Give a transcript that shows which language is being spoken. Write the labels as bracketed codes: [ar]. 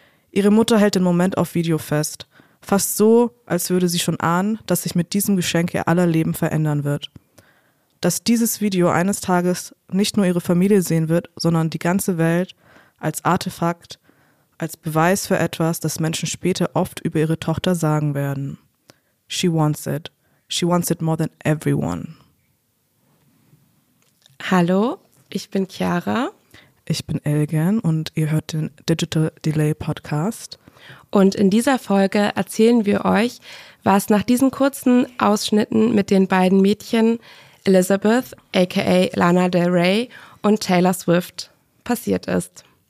[de] Ihre Mutter hält den Moment auf Video fest. Fast so, als würde sie schon ahnen, dass sich mit diesem Geschenk ihr aller Leben verändern wird. Dass dieses Video eines Tages nicht nur ihre Familie sehen wird, sondern die ganze Welt als Artefakt, als Beweis für etwas, das Menschen später oft über ihre Tochter sagen werden. [en] She wants it. She wants it more than everyone. [de] Hallo, ich bin Chiara. Ich bin Elgen und ihr hört den Digital Delay Podcast. Und in dieser Folge erzählen wir euch, was nach diesen kurzen Ausschnitten mit den beiden Mädchen Elizabeth, aka Lana Del Rey, und Taylor Swift passiert ist.